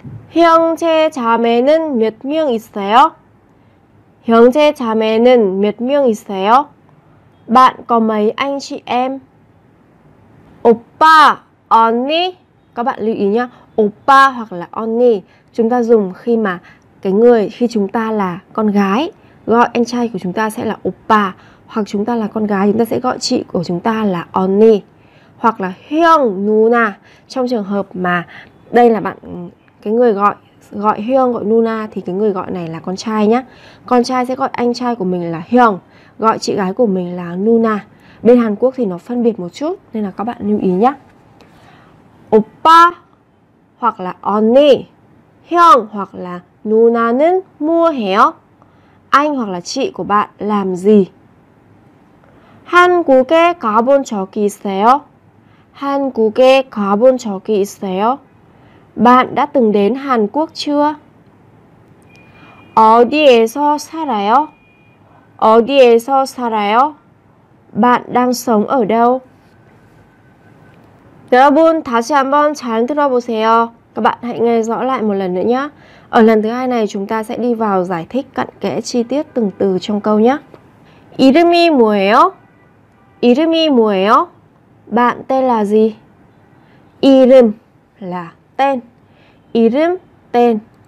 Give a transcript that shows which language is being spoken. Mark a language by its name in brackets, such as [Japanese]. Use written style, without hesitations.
[Korean] 형제 자매는 몇 명 있어요? 형제 자매는 몇 명 있어요? [Vietnamese] Bạn có mấy anh chị em? [Korean] 오빠 언니. [Vietnamese] Các bạn lưu ý nhá, 오빠 hoặc là 언니 chúng ta dùng khi mà cái người khi chúng ta là con gái gọi anh trai của chúng ta sẽ là 오빠, hoặc chúng ta là con gái chúng ta sẽ gọi chị của chúng ta là 언니, hoặc là 형 누나 trong trường hợp mà đây là bạn cái người gọi 형 gọi 누나 thì cái người gọi này là con trai nhá. Con trai sẽ gọi anh trai của mình là 형, gọi chị gái của mình là 누나. Bên Hàn Quốc thì nó phân biệt một chút nên là các bạn lưu ý nhá. [Korean] 오빠 hoặc là 언니, 형 hoặc là 누나는 무엇해요? [Vietnamese] Anh hoặc là chị của bạn làm gì? [Korean] 한국에 가본 적이 있어요? 한국에 가본 적이 있어요? [Vietnamese] Bạn đã từng đến Hàn Quốc chưa? [Korean] 어디에서 살아요? 어디에서 살아요? [Vietnamese] Bạn đang sống ở đâu? [Korean] 여러분 다시 한번 잘 들어보세요. [Vietnamese] Các bạn hãy nghe rõ lại một lần nữa nhé. Ở lần thứ hai này chúng ta sẽ đi vào giải thích cặn kẽ chi tiết từng từ trong câu nhé. [Korean] 이름이 뭐예요? 이름이 뭐예요? [Vietnamese] Bạn tên là gì? 이름 là tên. 이름 tên.